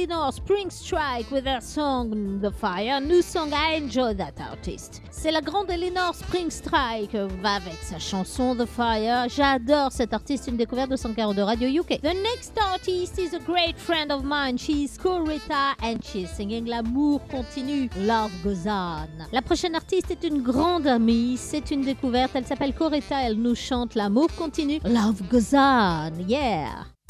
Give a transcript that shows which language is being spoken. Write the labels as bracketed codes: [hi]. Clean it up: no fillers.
[en] Spring Strike with her song The Fire, new song I enjoy that artist. [fr] C'est la grande Eleanor Spring Strike avec sa chanson The Fire. J'adore cette artiste, une découverte de 140 de Radio UK. [en] The next artist is a great friend of mine. She's Corita and she's singing L'amour continue, Love Goes On. [fr] La prochaine artiste est une grande amie, c'est une découverte. Elle s'appelle Corita, elle nous chante L'amour continue, Love Goes On. Yeah!